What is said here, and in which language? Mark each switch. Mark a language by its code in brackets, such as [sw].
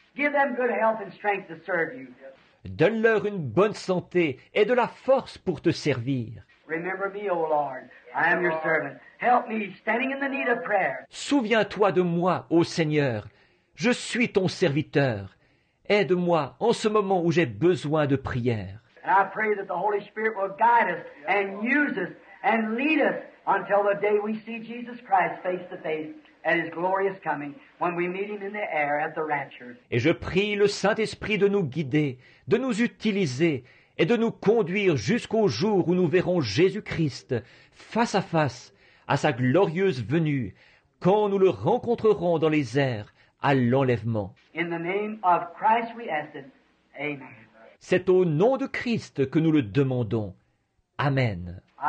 [en] Give them good health and strength to serve you. [fr] Donne-leur une bonne santé et de la force pour te servir. [en] Remember me, O Lord. I am your servant. Help me, standing in the need of prayer. [fr] Souviens-toi de moi, ô Seigneur. Je suis ton serviteur. Aide-moi en ce moment où j'ai besoin de prière. [en] And I pray that the Holy Spirit will guide us and use us and lead us until the day we see Jesus Christ face to face at His glorious coming, when we meet Him in the air at the rapture. [fr] Et je prie le Saint-Esprit de nous guider, de nous utiliser et de nous conduire jusqu'au jour où nous verrons Jésus-Christ face à face à sa glorieuse venue, quand nous le rencontrerons dans les airs à l'enlèvement. [en] In the name of Christ we ask it. Amen. [fr] C'est au nom de Christ que nous le demandons. Amen.